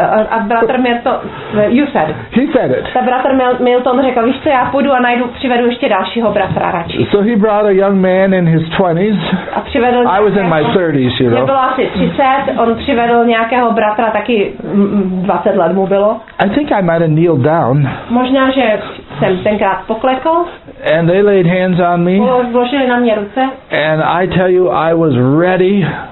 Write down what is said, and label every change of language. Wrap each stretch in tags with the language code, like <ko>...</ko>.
<cs>A bratr</cs> <en>Milton, you said it. He said it.</en> <cs>Ta bratr Milton řekl, víš co, já půjdu a najdu, přivedu ještě dalšího bratra radši.</cs> <en>So he brought a young man in his 20s.</en> <cs>A přivedl</cs> <en>I was in my 30s, you know.</en> <cs>Mě bylo asi 30, on přivedl nějakého bratra, taky 20 let mu bylo.</cs> <en>I think I might have kneeled down.</en> <cs>Možná, že jsem tenkrát poklekl.</cs> <en>And they laid hands on me.</en> <cs>Vložili na mě ruce.</cs> <en>And I tell you, I was ready.</en>